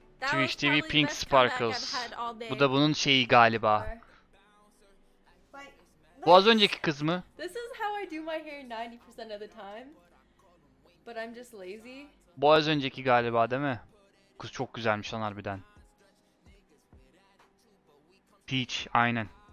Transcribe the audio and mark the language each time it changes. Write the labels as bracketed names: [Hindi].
[Turkish] Twitch TV Pink Sparkles. Bu da bunun şeyi galiba. Bu az önceki kız mı? [English] This is how I do my hair 90% of the time. But I'm just lazy. [Turkish] Bu az önceki galiba değil mi? Kız çok güzelmiş lan harbiden. Peach, aynen.